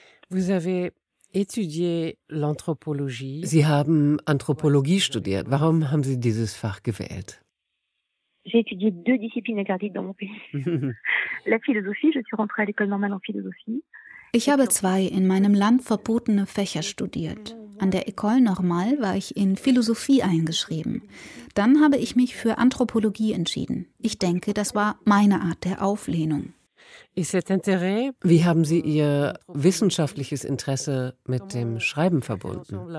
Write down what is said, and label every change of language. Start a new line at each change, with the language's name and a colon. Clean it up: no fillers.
French: Vous avez étudié l'anthropologie.
German: Sie haben Anthropologie studiert. Warum haben Sie dieses Fach gewählt?
French: J'ai étudié deux disciplines interdites dans mon pays. La philosophie, je suis rentrée à l'école normale en philosophie.
German: Ich habe zwei in meinem Land verbotene Fächer studiert. An der École Normale war ich in Philosophie eingeschrieben. Dann habe ich mich für Anthropologie entschieden. Ich denke, das war meine Art der Auflehnung. Wie haben Sie Ihr wissenschaftliches Interesse mit dem Schreiben verbunden?